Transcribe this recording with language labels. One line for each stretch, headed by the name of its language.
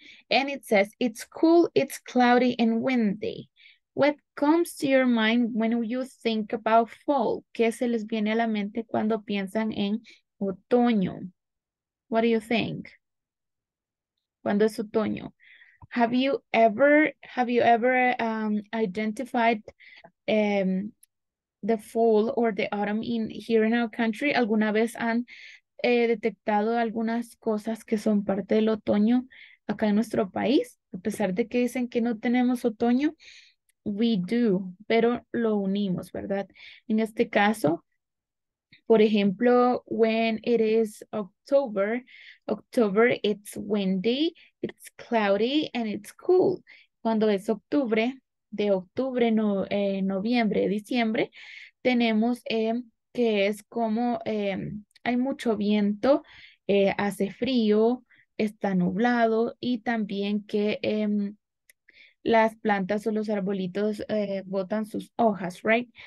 English: And it says, it's cool, it's cloudy, and windy. What comes to your mind when you think about fall?
Spanish: ¿Qué se les viene a la mente cuando piensan en otoño?
English: What do you think? ¿Cuándo es otoño? Have you ever identified the fall or the autumn in here in our country? ¿Alguna vez han
Spanish: detectado algunas cosas que son parte del otoño acá en nuestro país. A pesar de que dicen que no tenemos otoño, we do, pero lo unimos, ¿verdad?
English: En este caso, por ejemplo, when it is October, October it's windy, it's cloudy, and it's cool.
Spanish: Cuando es octubre, de octubre, no, noviembre, diciembre, tenemos que es como hay mucho viento, hace frío, está nublado, y también que las plantas o los arbolitos botan sus hojas, right?